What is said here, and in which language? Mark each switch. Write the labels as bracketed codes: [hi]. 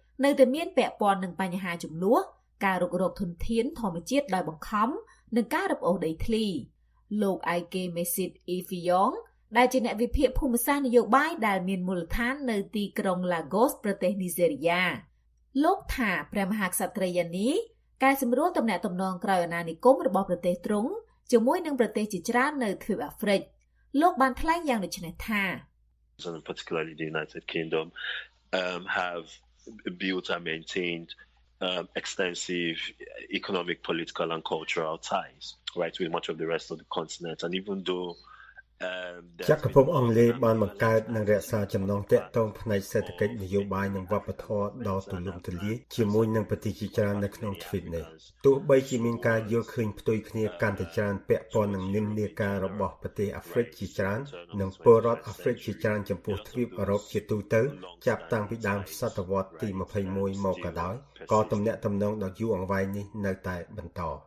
[km] នៅតែមានពាក់ព័ន្ធនឹងបញ្ហាចំនួនការរុករកធនធានធម្មជាតិដោយបង្ខំនិងការរឹបអូសដីធ្លីលោកអៃកេមេស៊ីតអ៊ីវីយ៉ងដែលជាអ្នកវិភាគភូមិសាស្ត្រនយោបាយដែលមានមូលដ្ឋាននៅទីក្រុងឡាហ្គោសប្រទេសនីហ្សេរីយ៉ាលោកថាព្រះមហាក្សត្រីយ៉ានីកែសម្រួលទំនាក់ទំនងក្រៅអាណានិគមរបស់ប្រទេសទ្រង់ជាមួយនឹងប្រទេសជាច្រើននៅទ្វីបអាហ្វ្រិកលោកបានថ្លែងយ៉ាងដូចនេះថា [en] particularly the United Kingdom have built and maintained extensive economic, political and cultural ties right with much of the rest of the continent and even though [km] ជាកពុំអង់គ្លេសបានបង្កើតនិងរក្សាចំណងទាក់ទងផ្នែកសេដ្ឋកិច្ចនយោបាយនិងវប្បធម៌ដ៏ទូលំទូលាយជាមួយនឹងប្រទេសជាច្រើននៅក្នុងទ្វីបនេះទោះបីជាមានការយល់ឃើញផ្ទុយគ្នាកាន់តែច្រើនពាក់ព័ន្ធនឹងនិន្នាការរបស់ប្រទេសអាហ្វ្រិកជាច្រើននិងពលរដ្ឋអាហ្វ្រិកជាច្រើនចំពោះទ្វីបអឺរ៉ុបជាទូទៅចាប់តាំងពីដើមសតវត្សទី21មកក៏ដោយក៏ទំនាក់ទំនងដ៏យូរអង្វែងនេះនៅតែបន្ត